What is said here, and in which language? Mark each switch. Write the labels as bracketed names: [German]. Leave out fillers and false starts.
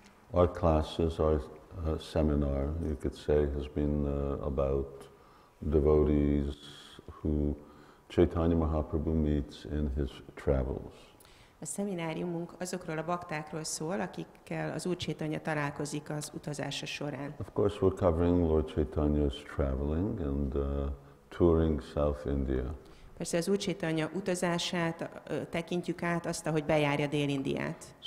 [English] Our classes, our seminar, you could say, has been about devotees who Chaitanya Mahaprabhu meets in his travels. [Hungarian] A szemináriumunk azokról a baktákról szól, akikkel az Úr Chaitanya találkozik az utazása során. [English] Of course, we're covering Lord Chaitanya's traveling and touring South India. [Hungarian] Persze az Úr Chaitanya utazását tekintjük át, azt, ahogy bejárja Dél-Indiát.